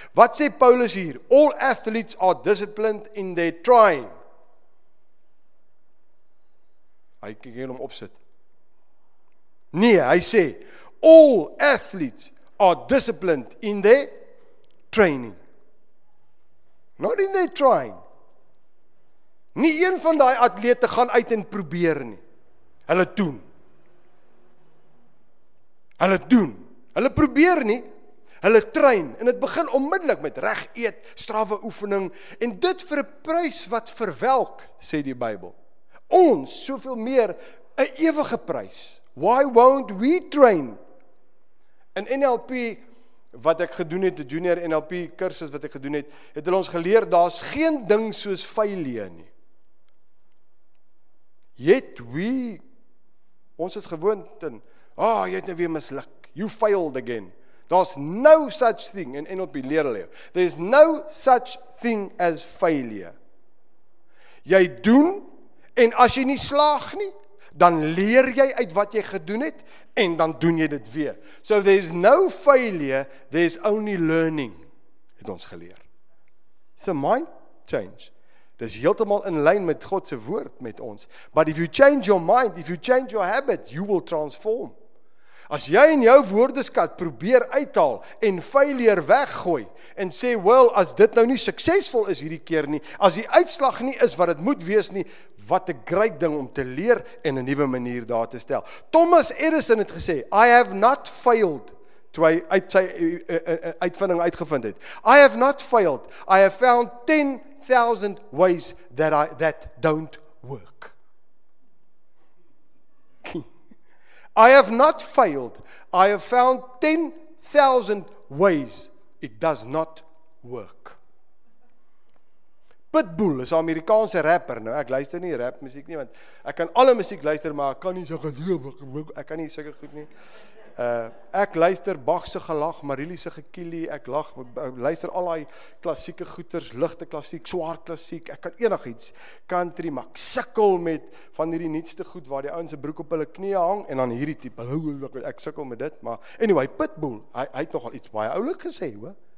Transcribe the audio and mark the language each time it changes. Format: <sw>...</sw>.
<af>Wat sê Paulus hier?</af> <en>All athletes are disciplined in their trying.</en> <af>Hy kan hier hom opsit. Nee, hy sê,</af> <en>all athletes are disciplined in their training. Not in their trying.</en> <af>Nie een van die atlete gaan uit en probeer nie. Hulle doen. Hulle probeer nie. Hulle train. En het begin onmiddellik met reg eet, strawe oefening. En dit vir 'n prys wat verwelk, sê die Bybel. Ons, soveel meer, 'n ewige prys.</af> <en>Why won't we train? In NLP,</en> <af>wat ek gedoen het, die junior NLP kursus wat ek gedoen het, het hulle ons geleer, daar is geen ding soos failure nie.</af> <en>Yet we,</en> <af>ons is gewoond in, ah, oh, jy het nou weer misluk,</af> <en>you failed again. There's no such thing,</en> <af>in NLP leer hulle,</af> <en>there's no such thing as failure.</en> <af>Jy doen, en as jy nie slaag nie, dan leer jy uit wat jy gedoen het, en dan doen jy dit weer.</af> <en>So there's no failure, there's only learning,</en> <af>het ons geleer.</af> <en>It's a mind change.</en> <af>Dit is heeltemal in lyn met God se woord met ons.</af> <en>But if you change your mind, if you change your habits, you will transform.</en> <af>As jy in jou woordeskat probeer uithaal en failure weggooi en sê, well, as dit nou nie suksesvol is hierdie keer nie, as die uitslag nie is wat het moet wees nie, wat 'n great ding om te leer en 'n nuwe manier daar te stel. Thomas Edison het gesê,</af> <en>I have not failed,</en> <af>toe hy uit sy uitvinding uitgevind het.</af> <en>I have not failed, I have found 10,000 ways that don't work. I have not failed. I have found 10,000 ways it does not work.</en> <af>Pitbull is 'n Amerikaanse rapper. Nou, ek luister nie rap muziek nie, want ek kan alle muziek luister, maar ek kan nie sulke goed nie. Ek kan nie sulke goed nie. Ek luister Bach'se gelag, Marilie'se gekielie, ek luister al die klassieke goeters, ligte klassiek, swaar klassiek, ek kan enig iets, country, maar ek sikkel met van hierdie nietste goed, waar die ouens 'n broek op hulle knieën hang, en dan hierdie type, ek sikkel met dit, maar anyway, Pitbull, hy het nogal iets baie oulik gesê, hoor.</af>